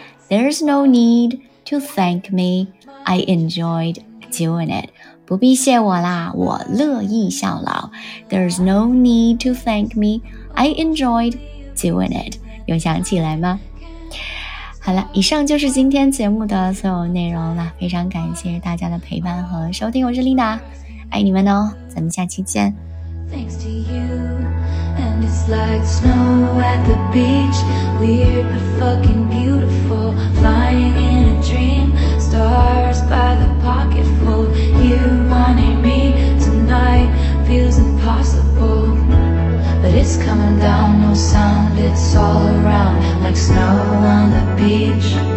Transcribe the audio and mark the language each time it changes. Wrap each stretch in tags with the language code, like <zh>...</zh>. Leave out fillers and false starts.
<en>There's no need to thank me. I enjoyed doing it.</en> <zh>不必谢我啦，我乐意效劳。</zh> <en>There's no need to thank me. I enjoyed doing it.</en> <zh>有想起来吗？好了，以上就是今天节目的所有内容了，非常感谢大家的陪伴和收听，我是丽娜，爱你们哦，咱们下期见。</zh> <en>Thanks to you, and it's like snow at the beach, weird but fucking beautiful, flying in a dream, stars by the pocket full, you wanting me tonight, feels impossible, but it's coming down, no sound, it's all around, like snow on the beach.</en>